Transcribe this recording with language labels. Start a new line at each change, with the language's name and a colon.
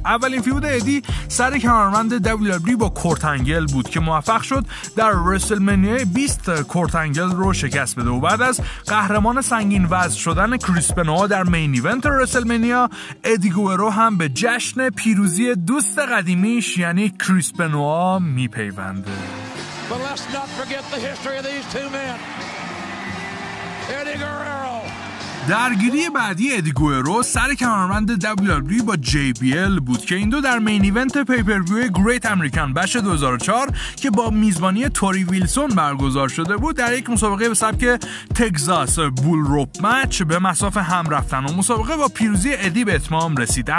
Persian: اولین فیود ادی سر کمربند WWE با کورت انگل بود که موفق شد در رسلمنیای 20 کورت انگل رو شکست بده و بعد از قهرمان سنگین وزن شدن کریس بنوا در مین ایونت رسلمنیا، ادی گوئرو هم به جشن پیروزی دوست قدیمیش یعنی کریس بنوا میپیونده.
English: But let's not forget the history of these two men. Eddie Guerrero.
Persian: درگیری بعدی ادی گوئرو سر کمربند WWE با JBL بود که این دو در مین ایونت پیپرویو گریت امریکن بش 2004 که با میزبانی توری ویلسون برگزار شده بود در یک مسابقه به سبک تگزاس بول روپ مچ به مسافه هم رفتن و مسابقه با پیروزی ادی به اتمام رسید.